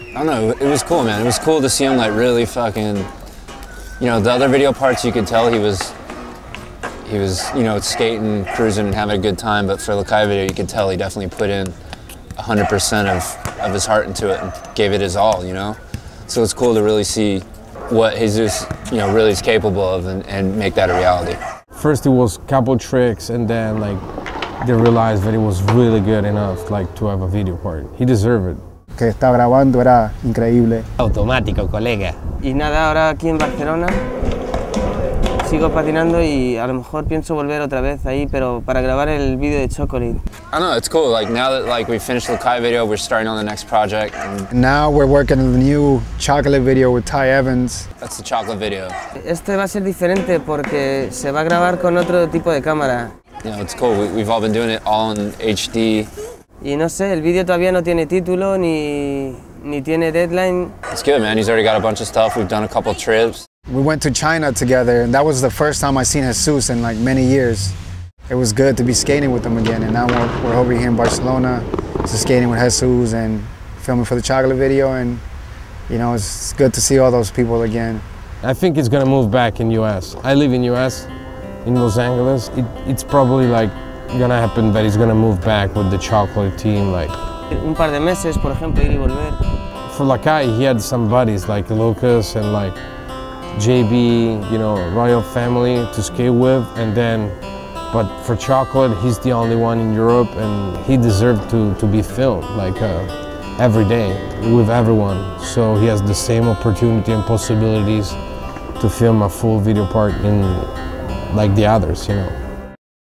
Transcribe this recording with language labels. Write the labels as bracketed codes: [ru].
[en] I don't know, it was cool, man. It was cool to see him like really fucking, you know, the other video parts you could tell he was, you know, skating, cruising and having a good time, but for Lacai video you could tell he definitely put in 100% of his heart into it and gave it his all, you know? So it's cool to really see what Jesus, you know, really is capable of and make that a reality. First it was a couple tricks and then like they realized that it was really good enough like to have a video part. He deserved it. [es] Que está grabando era increíble. Automático, colega. Y nada, ahora aquí en Barcelona sigo patinando y a lo mejor pienso volver otra vez ahí, pero para grabar el video de Chocolate. [en] I know, it's cool. Like now that like we finished the Kai video, we're starting on the next project. And now we're working on the new Chocolate video with Ty Evans. That's the Chocolate video. [es] Este va a ser diferente porque se va a grabar con otro tipo de cámara. [en] You know, it's cool. We've all been doing it all in HD. [es] Y no sé, el video todavía no tiene título ni tiene deadline. [en] It's good, man. He's already got a bunch of stuff. We've done a couple trips. We went to China together, and that was the first time I seen Jesus in like many years. It was good to be skating with him again, and now we're over here in Barcelona, just skating with Jesus and filming for the Chocolate video, and you know, it's good to see all those people again. I think he's gonna move back in U.S. I live in U.S., in Los Angeles. It's probably like gonna happen that he's gonna move back with the Chocolate team, like. [es] Un par de meses, por ejemplo, ir y volver. [en] For Lacai, he had some buddies like Lucas and like JB, you know, royal family to skate with, and then, but for Chocolate, he's the only one in Europe, and he deserved to be filmed like every day with everyone, so he has the same opportunity and possibilities to film a full video part in like the others, you know.